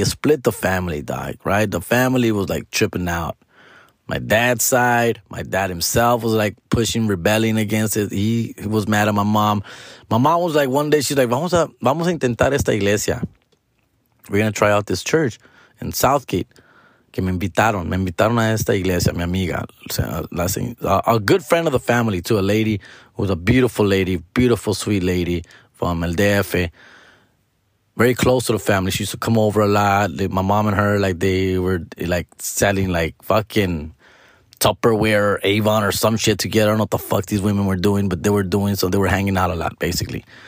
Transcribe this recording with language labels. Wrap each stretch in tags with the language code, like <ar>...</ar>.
<en>It split the family, dog, right? The family was like tripping out. My dad's side, my dad himself was like pushing, rebelling against it. He was mad at my mom. My mom was like, one day she's like,</en> <es>vamos a intentar esta iglesia.</es> <en>We're going to try out this church in Southgate.</en> <es>Que me invitaron a esta iglesia, mi amiga.</es> <en>A good friend of the family too, a lady who was a beautiful lady, beautiful, sweet lady from El DF. Very close to the family. She used to come over a lot. My mom and her, like, they were, like, selling, like, fucking Tupperware or Avon or some shit together. I don't know what the fuck these women were doing, but they were doing, so they were hanging out a lot, basically.</en>